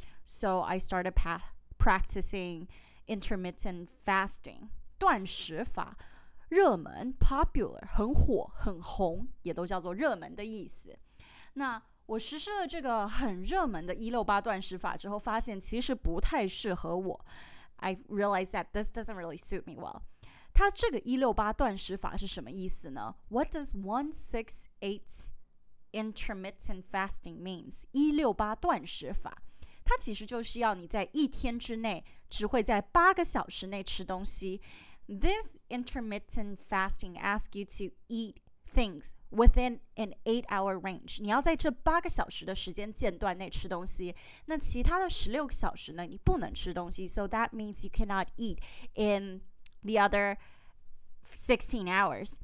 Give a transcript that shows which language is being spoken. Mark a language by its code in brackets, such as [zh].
[en] So I started practicing intermittent fasting. [zh] 断食法, 热门, popular, 很火, 很红, 也都叫做热门的意思。那我实施了这个很热门的168断食法之后发现其实不太适合我。 [en] I realized that this doesn't really suit me well. [zh] 它这个168断食法是什么意思呢? [en] What does 168 intermittent fasting means? [zh] 168断食法 它其实就是要你在一天之内只会在8个小时内吃东西。 [en] This intermittent fasting asks you to eat things within an 8-hour range. [zh] 你要在这8个小时的时间间段内吃东西, 那其他的16个小时呢, 你不能吃东西, [en] so that means you cannot eat in the other 16 hours.